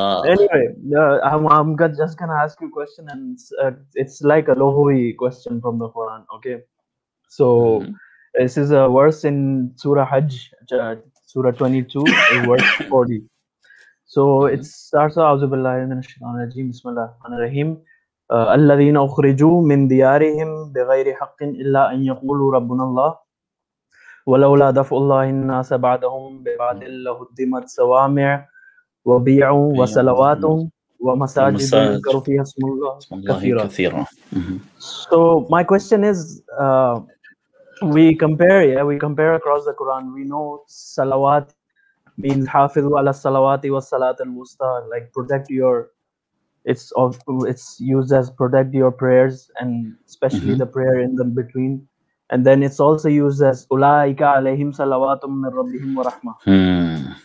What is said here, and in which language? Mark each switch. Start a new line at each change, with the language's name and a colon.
English: Anyway, I'm just gonna ask you a question and it's like a lohui question from the Quran. Okay, so this is a verse in Surah Hajj, Surah 22, verse 40. So it starts out,
Arabic: A'udhu billahi minashaitanir rajeem, bismillahirrahmanirrahim. الذين أخرجوا من ديارهم بغير حق إلا أن يقولوا ربنا الله ولولا دفع الله الناس بعضهم ببعض لهدمت صوامع وبيع وصلوات ومساجد يذكر فيها اسم الله كثيرا.
English: So my question is, we compare across the Quran. We know salawat means
Arabic: حافظوا على الصلوات والصلاة الوسطى,
English: like protect your... It's used as protect your prayers and especially the prayer in the between, and then it's also used as
Arabic: ulaika alayhim salawatum min rabbihim wa rahma.